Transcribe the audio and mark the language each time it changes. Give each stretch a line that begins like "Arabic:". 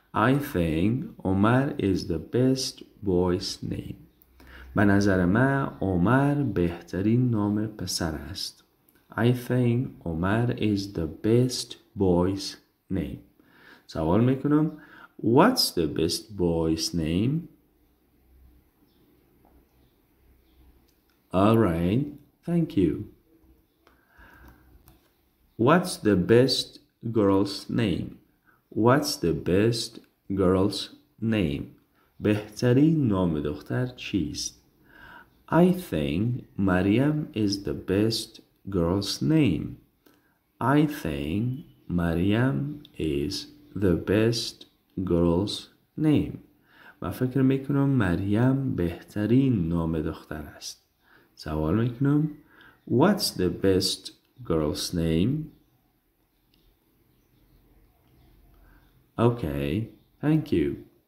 English: I think Omar is the best boy's name.
Persian: به نظر من عمر بهترین نام پسر است.
English: I think Omar is the best boy's name.
Persian: سوال میکنم
English: What's the best boy's name? All right. Thank you. What's the best girl's name? What's the best girl's name?
Persian: بهترین نام دختر چیست؟
English: I think Maryam is the best girl's name. I think Maryam is the best girl's name.
Persian: ما فکر میکنم مریم بهترین نام دختر است. سوال میکنم
English: What's the best girl's name? Okay, thank you.